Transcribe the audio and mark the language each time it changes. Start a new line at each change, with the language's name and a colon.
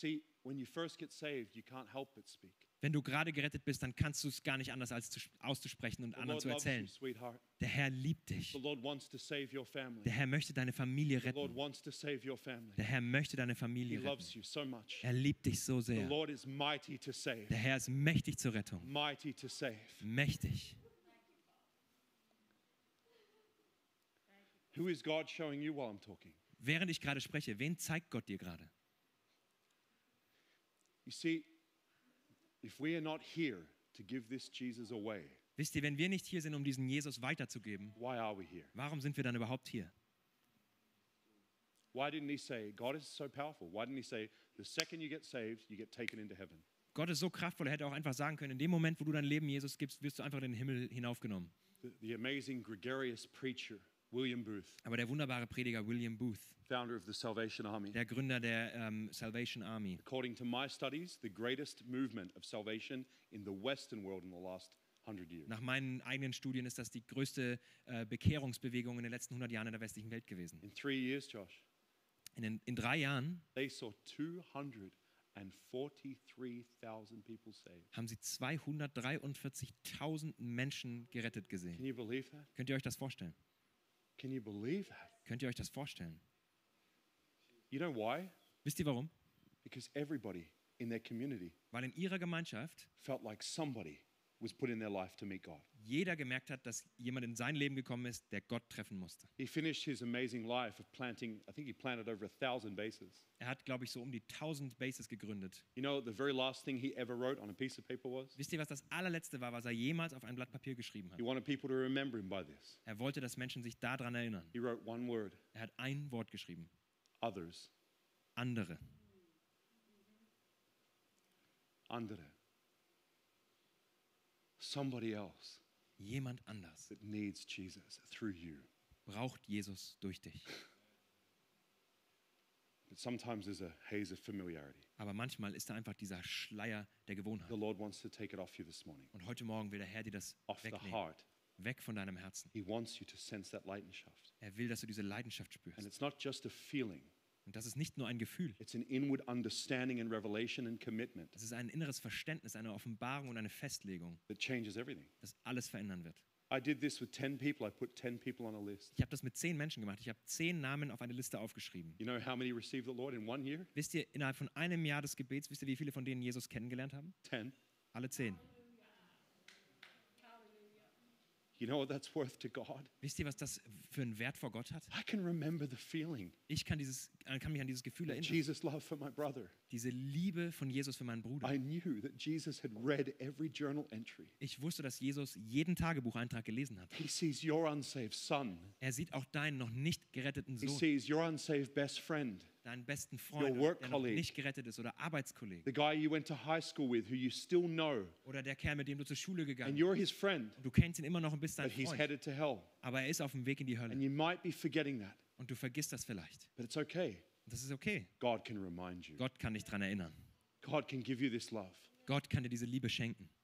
English: See, when you first get saved, you can't help but speak.
German: Wenn du gerade gerettet bist, dann kannst du es gar nicht anders als auszusprechen und
English: the
German: anderen zu erzählen.
English: Loves you, sweetheart.
German: Der Herr liebt dich.
English: The Lord wants to save your family.
German: Der Herr möchte deine Familie retten.
English: The Lord wants to save your family.
German: Der Herr möchte deine Familie retten.
English: Loves you so much.
German: Er liebt dich so sehr.
English: The Lord is mighty to save.
German: Der Herr ist mächtig zur Rettung.
English: Mighty to save.
German: Mächtig.
English: Who is God showing you while I'm talking?
German: Während ich gerade spreche, wen zeigt Gott dir gerade?
English: You see, if we are not here to give this Jesus away,
German: wisst ihr, wenn wir nicht hier sind, um diesen Jesus weiterzugeben,
English: why are we here?
German: Warum sind wir dann überhaupt hier?
English: Why didn't he say, God is so powerful? Why didn't he say, the second you get saved, you get taken into heaven?
German: Gott ist so kraftvoll. Er hätte auch einfach sagen können: In dem Moment, wo du dein Leben Jesus gibst, wirst du einfach in den Himmel hinaufgenommen.
English: The amazing gregarious preacher William Booth.
German: Aber der wunderbare Prediger William Booth.
English: Founder of the Salvation Army.
German: Der Gründer der Salvation Army.
English: According to my studies, the greatest movement of salvation in the Western world in the last 100 years.
German: Nach meinen eigenen Studien ist das die größte Bekehrungsbewegung in den letzten 100 Jahren in der westlichen Welt gewesen.
English: In 3 years, Josh.
German: In 3 Jahren.
English: They saw 243,000 people saved.
German: Haben sie 243,000 Menschen gerettet gesehen?
English: Can you believe that?
German: Könnt ihr euch das vorstellen?
English: Can you believe that?
German: Könnt ihr euch das vorstellen?
English: You know why?
German: Wisst ihr warum?
English: Because everybody in their community
German: Weil in ihrer Gemeinschaft
English: felt like somebody was put in their life to meet God.
German: Jeder gemerkt hat, dass jemand in sein Leben gekommen ist, der Gott treffen musste.
English: He finished his amazing life of planting. I think he planted over 1,000 bases.
German: Er hat, glaube ich, so um die 1,000 bases gegründet.
English: You know, the very last thing he ever wrote on a piece of paper was.
German: Wisst ihr, was das allerletzte war, was er jemals auf ein Blatt Papier geschrieben hat?
English: He wanted people to remember him by this.
German: Er wollte, dass Menschen sich daran erinnern.
English: He wrote one word.
German: Er hat ein Wort geschrieben.
English: Others.
German: Andere. Andere.
English: Somebody else.
German: Jemand anders.
English: That needs Jesus through you.
German: Braucht Jesus durch dich.
English: But sometimes there's a haze of familiarity.
German: Aber manchmal ist da einfach dieser Schleier der Gewohnheit.
English: The Lord wants to take it off you this morning.
German: Und heute Morgen will der Herr dir das
English: off
German: wegnehmen.
English: The heart.
German: Weg von deinem Herzen.
English: He wants you to sense that Leidenschaft.
German: Er will, dass du diese Leidenschaft spürst.
English: And it's not just a feeling.
German: Und das ist nicht nur ein Gefühl.
English: It's an inward understanding and revelation and commitment.
German: Das ist ein inneres Verständnis, eine Offenbarung und eine Festlegung.
English: That changes everything.
German: Das alles verändern wird.
English: I did this with 10 people. I put 10 people on a list.
German: Ich habe das mit 10 Menschen gemacht. Ich habe 10 Namen auf eine Liste aufgeschrieben.
English: You know how many received the Lord in one year?
German: Wisst ihr, innerhalb von einem Jahr des Gebets, wisst ihr, wie viele von denen Jesus kennengelernt haben?
English: 10.
German: Alle 10.
English: You know what that's worth to God?
German: Wisst ihr, was das für einen Wert vor Gott hat?
English: I can remember the feeling.
German: Ich kann mich an dieses Gefühl erinnern.
English: Jesus love for my brother.
German: Diese Liebe von Jesus für meinen Bruder.
English: I knew that Jesus had read every journal entry.
German: Ich wusste, dass Jesus jeden Tagebucheintrag gelesen hat.
English: He sees your unsaved son.
German: Er sieht auch deinen noch nicht geretteten Sohn.
English: He sees your unsaved best friend.
German: Deinen besten Freund, der noch nicht gerettet ist, oder Arbeitskollegen.
English: The guy you went to high school with, who you still know.
German: Oder der Kerl, mit dem du zur Schule gegangen bist.
English: And you're his friend.
German: Du kennst ihn immer noch und bist sein Freund.
English: But he's headed to hell.
German: Aber er ist auf dem Weg in die Hölle.
English: And you might be forgetting that.
German: Und du vergisst das vielleicht.
English: But it's okay.
German: Das ist okay.
English: God can remind you.
German: Gott kann dich dran erinnern.
English: God can give you this love.
German: Gott kann dir diese Liebe schenken.